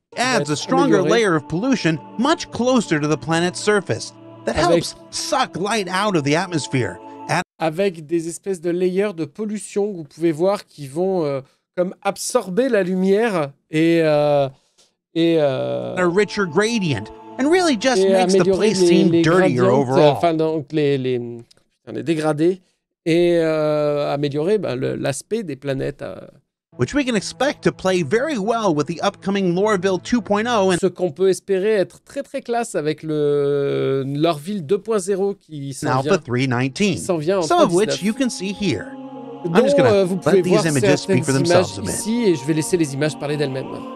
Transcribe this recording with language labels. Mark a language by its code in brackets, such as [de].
[en] Adds a stronger layer of pollution much closer to the planet's surface that helps suck light out of the atmosphere. [fr] Avec des espèces de layers de pollution, vous pouvez voir qui vont comme absorber la lumière et [en] a richer gradient and really just makes the place seem dirtier overall. [fr] Enfin, donc les dégradés et améliorer l'aspect des planètes. [en] Which we can expect to play very well with the upcoming Loreville 2.0. [fr] Ce qu'on peut espérer être très très classe avec le Loreville 2.0 qui s'en vient. [en] Alpha 319. [fr] S'en vient. [en] Some of which you can see here. I'm just gonna let these images speak for themselves a bit. [fr] Ici et je vais laisser les images parler d'elles-mêmes.